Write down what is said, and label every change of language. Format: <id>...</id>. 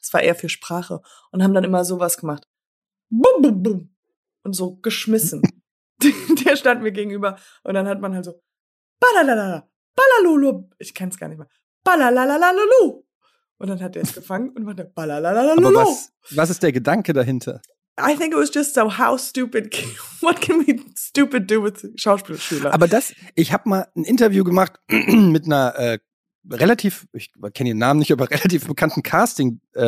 <de>Das war eher für Sprache. Und haben dann immer sowas gemacht. Bum, bum, bum. Und so geschmissen. Der stand mir gegenüber. Und dann hat man halt so, balalalala, balalulu. Ich kenn's gar nicht mehr. Balalalalalulu. Und dann hat er es gefangen und war der balalalalulu. Aber was ist der Gedanke dahinter?</de> <en>I think it was just so, how stupid, what can we stupid do with Schauspielschüler?</en> <de>Aber das, ich habe mal ein Interview gemacht mit einer relativ, ich kenne ihren Namen nicht, aber relativ bekannten Casting</de>